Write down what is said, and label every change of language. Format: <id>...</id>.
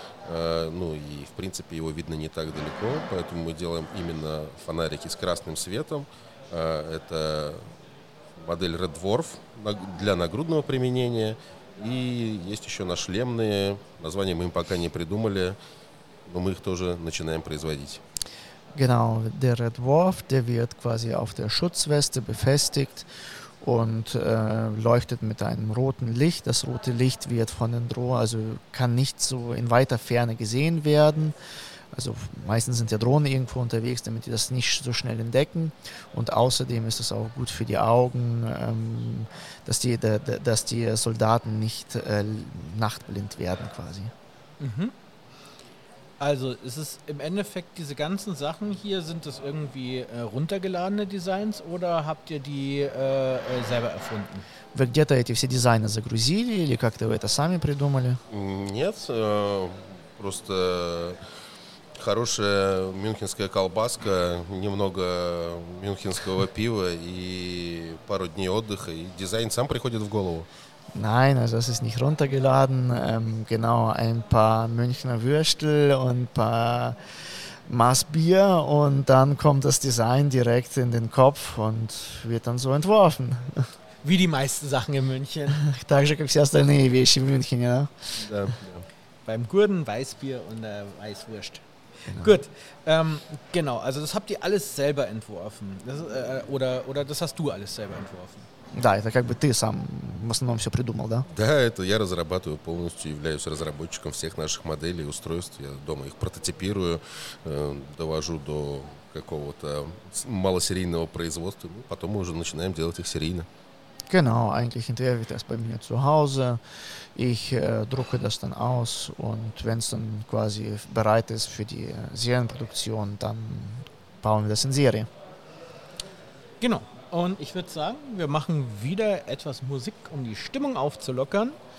<ru>Ну и, в принципе, его видно не так далеко. Поэтому мы делаем именно фонарики с красным светом. Это модель Red Dwarf для нагрудного применения. И есть еще нашлемные, название мы им пока не придумали, но мы их тоже начинаем производить.</ru> <de>Genau, der Red Dwarf, der wird quasi auf der Schutzweste befestigt und leuchtet mit einem roten Licht. Das rote Licht wird von den Drohnen, also kann nicht so in weiter Ferne gesehen werden. Also meistens sind ja Drohnen irgendwo unterwegs, damit die das nicht so schnell entdecken. Und außerdem ist es auch gut für die Augen, dass die Soldaten nicht nachtblind werden quasi. Mhm. Also ist es im Endeffekt, diese ganzen Sachen hier, sind das irgendwie runtergeladene Designs oder habt ihr die selber erfunden?</de> <ru>Вы где-то эти все дизайны загрузили или как-то вы это сами придумали? Нет, просто... Хорошая мюнхенская колбаска, немного мюнхенского пива и пару дней отдыха, и дизайн сам приходит в голову.</ru> <de>Nein, also das ist nicht runtergeladen. Genau, ein paar Münchner Würstel und ein paar Maß Bier und dann kommt das Design direkt in den Kopf und wird dann so entworfen. Wie die meisten Sachen in München.</de> <ru>Так же, как все остальные вещи в Мюнхене, ja?</ru> <de>Beim Gurden Weißbier und Weißwurst. Genau. Gut, genau, also das habt ihr alles selber entworfen, das, oder das hast du alles selber entworfen?</de> <ru>Да, это как бы ты сам в основном все придумал, да? Да, это я разрабатываю полностью, являюсь разработчиком всех наших моделей и устройств, я дома их прототипирую, довожу до какого-то малосерийного производства, ну, потом мы уже начинаем делать их серийно.</ru> <de>Genau, eigentlich entwerfe ich das bei mir zu Hause. Ich drucke das dann aus und wenn es dann quasi bereit ist für die Serienproduktion, dann bauen wir das in Serie. Genau, und ich würde sagen, wir machen wieder etwas Musik, um die Stimmung aufzulockern.</de>